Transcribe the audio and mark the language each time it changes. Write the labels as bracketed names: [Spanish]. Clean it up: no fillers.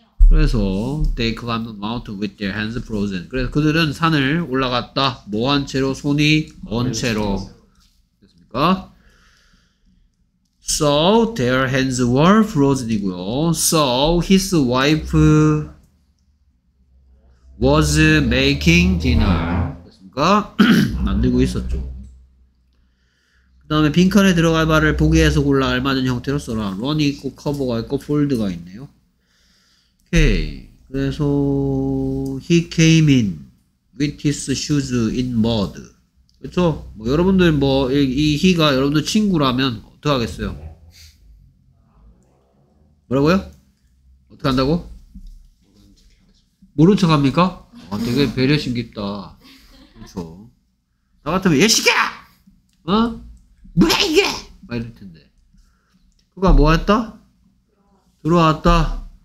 [Korean] 그래서 [English] they climbed the mountain with their hands frozen. [Korean] 그래서 그들은 산을 올라갔다. 뭐 한 채로, 손이 언 채로. 됐습니까? [English] So their hands were frozen [Korean] 이고요. [English] So his wife was making dinner. [Korean] 됐습니까? 만들고 있었죠. 그 다음에 빈칸에 들어갈 바를 보기 해서 골라 알맞은 형태로 써라. 런이 있고 커버가 있고 폴드가 있네요. 오케이. 그래서 [English] he came in with his shoes in mud. [Korean] 그렇죠? 뭐 여러분들 뭐 이 he가 여러분들 친구라면 어떻게 하겠어요? 뭐라고요? 어떻게 한다고? 모른 척 합니까? 아, 되게 배려심 깊다. 그렇죠. 나 같으면 예시게! 어? 뭐야 이게! 막 이럴 텐데. 그가 뭐 했다? 들어왔다.